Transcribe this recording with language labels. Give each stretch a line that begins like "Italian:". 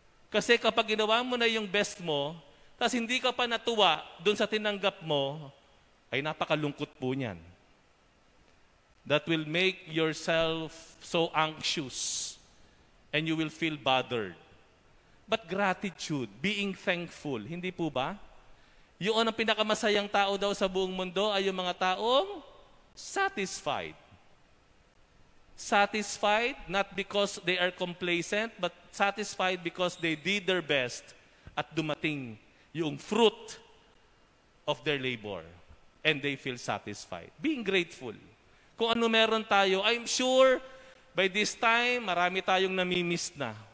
Filipino: Kasi kapag ginawa mo na yung best mo, tapos hindi ka pa natuwa dun sa tinanggap mo, ay napakalungkot po niyan.
English: That will make yourself so anxious and you will feel bothered. But gratitude, being thankful,
Filipino: hindi po ba? Yun ang pinakamasayang tao daw sa buong mundo ay yung mga taong satisfied.
English: Satisfied not because they are complacent, but satisfied because they did their best
Filipino: at dumating yung
English: fruit of their labor. And they feel satisfied. Being grateful.
Filipino: Kung ano meron tayo,
English: I'm sure by this time,
Filipino: marami tayong namimiss na.